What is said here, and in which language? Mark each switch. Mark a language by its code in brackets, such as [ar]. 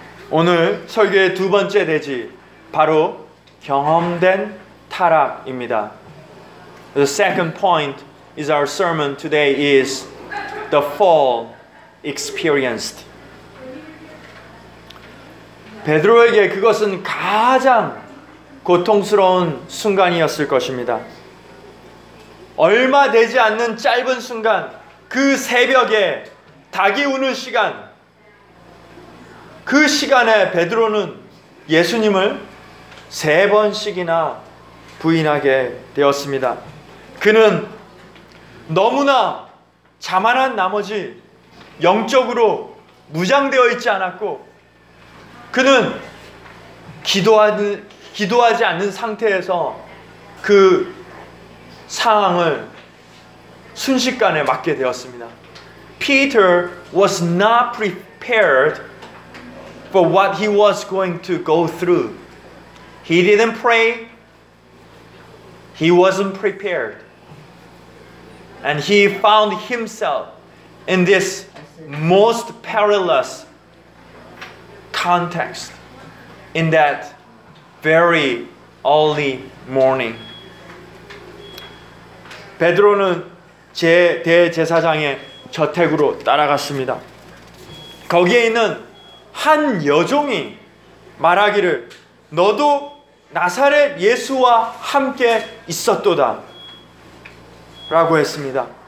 [ko] 오늘 설교의 두 번째 대지 바로 경험된 타락입니다. [en] The second point is our sermon today is the fall experienced. [ko] 베드로에게 그것은 가장 고통스러운 순간이었을 것입니다. 얼마 되지 않는 짧은 순간 그 새벽에 닭이 우는 시간, 그 시간에 베드로는 예수님을 세 번씩이나 부인하게 되었습니다. 그는 너무나 자만한 나머지 영적으로 무장되어 있지 않았고, 그는 기도하지 않는 상태에서 그 상황을 순식간에 맞게 되었습니다. [en] Peter was not prepared for what he was going to go through. He didn't pray. He wasn't prepared. And he found himself in this most perilous context in that very early morning. [ko] 베드로는 제 대제사장의 저택으로 따라갔습니다. 거기에 있는 한 여종이 말하기를 너도 나사렛 예수와 함께 있었도다 라고 했습니다.